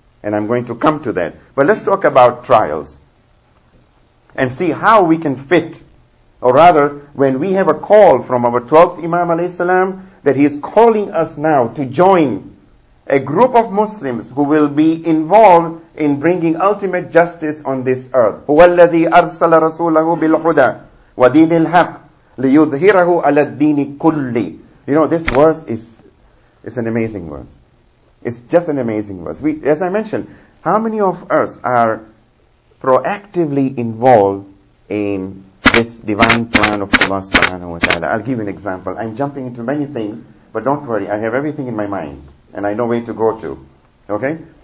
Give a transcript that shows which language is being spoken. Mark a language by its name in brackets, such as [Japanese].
[English] And I'm going to come to that. But let's talk about trials and see how we can fit. Or rather, when we have a call from our 12th Imam alayhi salam, that he is calling us now to join a group of Muslims who will be involved in bringing ultimate justice on this earth. [Arabic] هو الذي أرسل رسوله بالهدى ودين الحق ليظهره على الدين كله. [English] You know, this verse is an amazing verse. It's just an amazing verse. As I mentioned, how many of us are proactively involved in this divine plan of Allah subhanahu wa ta'ala? I'll give you an example. I'm jumping into many things, but don't worry, I have everything in my mind and I know where to go to. Okay?